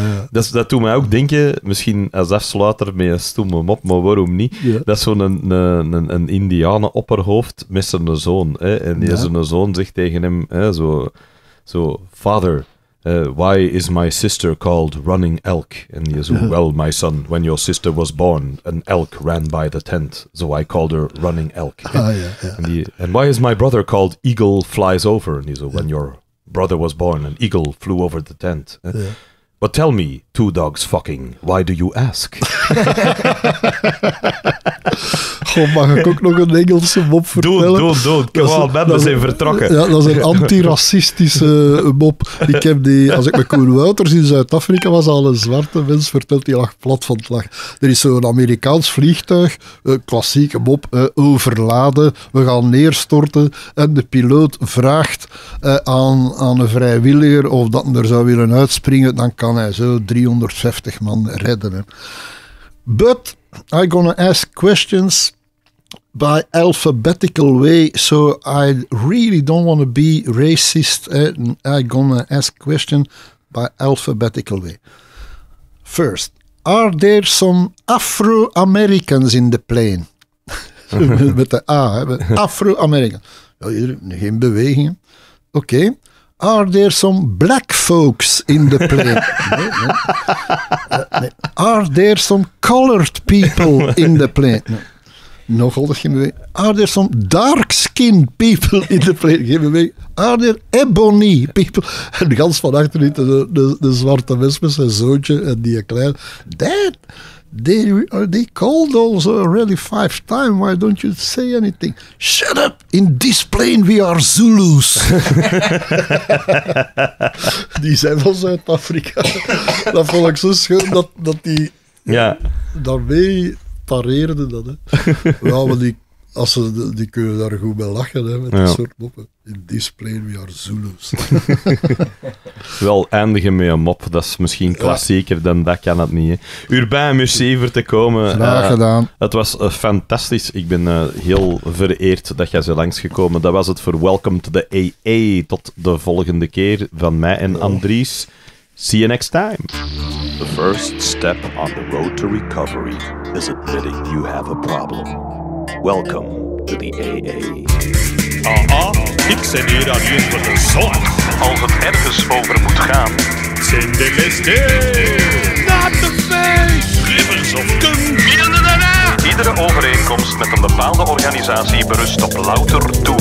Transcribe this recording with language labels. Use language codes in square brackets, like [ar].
[nl] Dat doet mij ook denken... Misschien als afsluiter met een stomme mop, maar waarom niet? Ja. Dat is zo'n een Indianen opperhoofd met zijn zoon. Hè? En die zijn zoon zegt tegen hem, hè, zo [en] father, why is my sister called running elk? [nl] En die zo, [en] well, my son, when your sister was born, an elk ran by the tent, so I called her running elk. [nl] Ah, ja. [en] And why is my brother called eagle flies over? [nl] En die zo, [en] when your brother was born, an eagle flew over the tent. [nl] Ja. [en] But tell me, two dogs fucking, why do you ask? [nl] Goh, mag ik ook nog een Engelse mop vertellen? We zijn vertrokken. Ja, dat is een antiracistische mop. Ik heb die, als ik met Koen Wouters in Zuid-Afrika was, al een zwarte mens verteld, die lag plat van het lachen. Er is zo'n Amerikaans vliegtuig, klassieke mop, overladen, we gaan neerstorten, en de piloot vraagt aan een vrijwilliger of dat er zou willen uitspringen, dan kan hij zo 350 man redden. Hè. [en] But I'm going to ask questions by alphabetical way, so I really don't want to be racist. I'm going to ask questions by alphabetical way. First, are there some Afro-Americans in the plane? [nl] Met de A, Afro-Americans. Ja, geen bewegingen. Oké. Okay. [en] Are there some black folks in the plane? [nl] Nee. [en] Are there some colored people in the plane? [nl] Nee. Nog altijd geen beweging. [en] Are there some dark-skinned people in the plane? [nl] Geen beweging. [en] Are there ebony people? [nl] En gans van achteruit, de zwarte mens met zijn zoontje en die klein. [en] Dad, they called also already 5 times. Why don't you say anything? Shut up! In this plane we are Zulus. [nl] Die zijn van Zuid-Afrika. Dat vond ik zo schoon dat die daarmee pareerde dat. Hè. Ja, maar die kunnen daar goed mee lachen, hè, met die soort moppen. [en] In this plane we are Zulus. [nl] Wel eindigen met een mop, dat is misschien klassieker dan dat, kan het niet. Hè. Urbain, merci voor te komen. Graag gedaan. Het was fantastisch. Ik ben heel vereerd dat jij zo langsgekomen. Dat was het voor Welcome to the AA. Tot de volgende keer van mij en Andries. [en] See you next time. The first step on the road to recovery is admitting you have a problem. Welcome to the AA. [nl] Ik ben hier aan je voor de zon. Als het ergens over moet gaan, zijn de beste. [en] Not the face. Glimmers of gum. [nl] Iedere overeenkomst met een bepaalde organisatie berust op louter